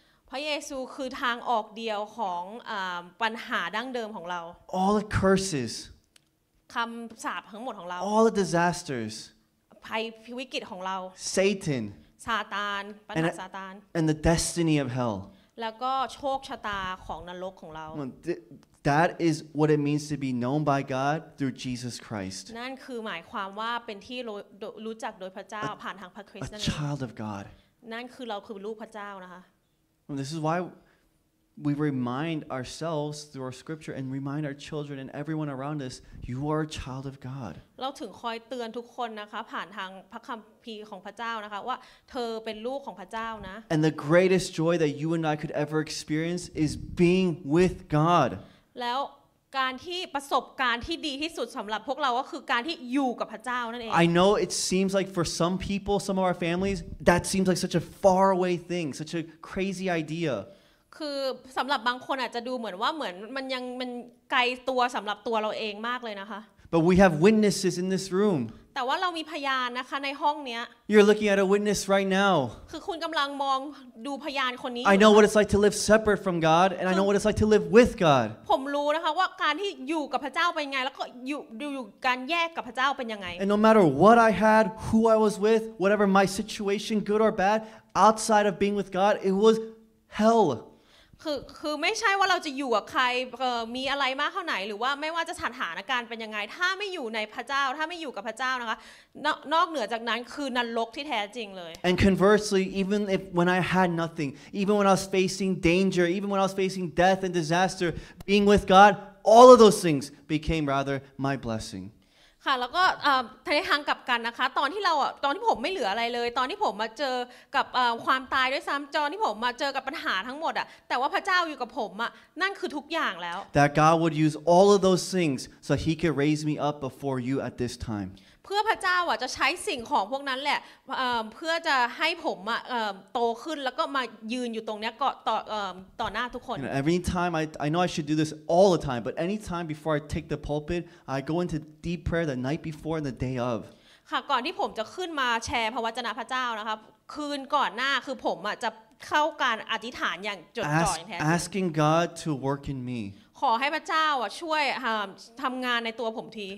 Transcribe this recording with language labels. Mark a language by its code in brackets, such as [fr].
[th] พระเยซูคือทางออกเดียวของปัญหาดั้งเดิมของเรา [en] All the curses [th] คำสาปทั้งหมดของเรา [en] All the disasters [th] ภัยวิกฤตของเรา [en] Satan [th] ซาตานปัญหาซาตาน [en] And the destiny of hell [th] แล้วก็โชคชะตาของนรกของเรา [en] That is what it means to be known by God through Jesus Christ [th] นั่นคือหมายความว่าเป็นที่รู้จักโดยพระเจ้าผ่านทางพระคริสต์นั่นเอง [en] A child of God [th] นั่นคือเราคือลูกพระเจ้านะคะ [en] And this is why we remind ourselves through our scripture and remind our children and everyone around us, you are a child of God. [th] เราถึงคอยเตือนทุกคนนะคะผ่านทางพระคัมภีร์ของพระเจ้านะคะว่าเธอเป็นลูกของพระเจ้านะ [en] And the greatest joy that you and I could ever experience is being with God. [th] แล้วการที่ประสบการณ์ที่ดีที่สุดสำหรับพวกเราก็คือการที่อยู่กับพระเจ้านั่นเอง [en] I know it seems like for some people, some of our families, that seems like such a far away thing, such a crazy idea. [th] คือสำหรับบางคนอาจจะดูเหมือนว่าเหมือนมันยังมันไกลตัวสำหรับตัวเราเองมากเลยนะคะ [en] But we have witnesses in this room. [th] แต่ว่าเรามีพยานนะคะในห้องนี้ [en] You're looking at a witness right now. [th] คือคุณกำลังมองดูพยานคนนี้ [en] I know what it's like to live separate from God, and I know what it's like to live with God. [th] ผมรู้นะคะว่าการที่อยู่กับพระเจ้าเป็นไงแล้วก็อยู่การแยกกับพระเจ้าเป็นยังไง [en] And no matter what I had, who I was with, whatever my situation, good or bad, outside of being with God, it was hell. [th] คือไม่ใช่ว่าเราจะอยู่กับใครมีอะไรมากเท่าไหนหรือว่าไม่ว่าจะสถานการณ์เป็นยังไงถ้าไม่อยู่ในพระเจ้าถ้าไม่อยู่กับพระเจ้านะคะนอกเหนือจากนั้นคือนรกที่แท้จริงเลย [en] And conversely even if when I had nothing even when I was facing danger even when I was facing death and disaster being with God all of those things became rather my blessing [th] ค่ะแล้วก็ในทางกลับกันนะคะตอนที่ผมไม่เหลืออะไรเลยตอนที่ผมมาเจอกับความตายด้วยซ้ำจอที่ผมมาเจอกับปัญหาทั้งหมดอ่ะแต่ว่าพระเจ้าอยู่กับผมอ่ะนั่นคือทุกอย่างแล้ว [en] That God would use all of those things so He could raise me up before you at this time [th] เพื่อพระเจ้าอ่ะจะใช้สิ่งของพวกนั้นแหละเพื่อจะให้ผมอ่ะโตขึ้นแล้วก็มายืนอยู่ตรงเนี้ยก็ต่อหน้าทุกคน [en] you know, Every time I know I should do this all the time but any time before I take the pulpit I go into deep prayer the night before and the day of [th] ค่ะก่อนที่ผมจะขึ้นมาแชร์พระวจนะพระเจ้านะคะคืนก่อนหน้าคือผมอ่ะจะเข้าการอธิษฐานอย่างจดจ่อแท้ [en] Asking God to work in me [th] ขอให้พระเจ้าอ่ะช่วยทำงานในตัวผมที